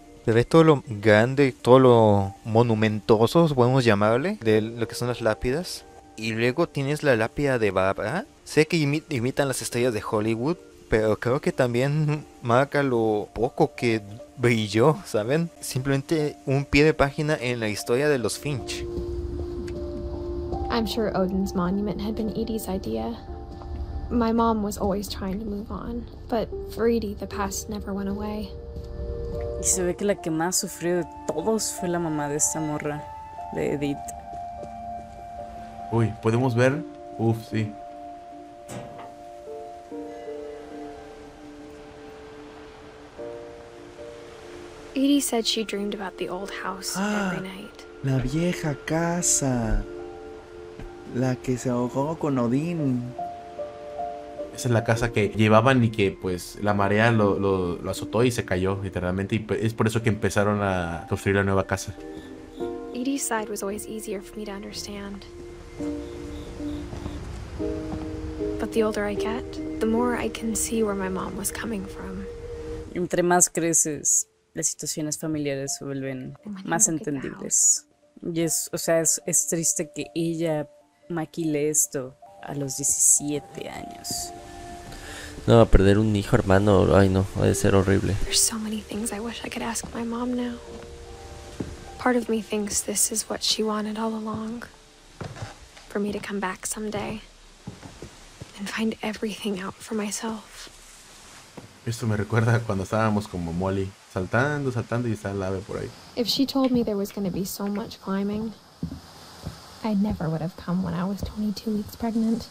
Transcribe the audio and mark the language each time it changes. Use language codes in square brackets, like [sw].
[es] ¿Te ves todo lo grande, todo lo monumentoso, podemos llamarle, de lo que son las lápidas? Y luego tienes la lápida de Barbara. Sé que imitan las estrellas de Hollywood, pero creo que también marca lo poco que brilló, ¿saben? Simplemente un pie de página en la historia de los Finch. [en] I'm sure Odin's monument had been Edie's idea. My mom was always trying to move on, but for Edie, the past never went away. [es] Y se ve que la que más sufrió de todos fue la mamá de esta morra, de Edith. Uy, ¿podemos ver? Uf, sí. [en] Edie said she dreamed about the old house every night. [es] La vieja casa. La que se ahogó con Odín. Esa es la casa que llevaban y que pues la marea lo azotó y se cayó literalmente, y es por eso que empezaron a construir la nueva casa. [en] Edie's side was always easier for me to understand. But the older I get, the more I can see where my mom was coming from. [es] Entre más creces, las situaciones familiares se vuelven más entendibles. Y es, o sea, es triste que ella maquile esto a los 17 años. No, perder un hijo, hermano, ay no, ha de ser horrible. [en] There's so many things I wish I could ask my mom now. Part of me thinks this is what she wanted all along. For me to come back someday. And find everything out for myself. [es] Esto me recuerda cuando estábamos como Molly, saltando, saltando y está el ave por ahí. [en] If she told me there was going to be so much climbing, I never would have come when I was 22 weeks pregnant.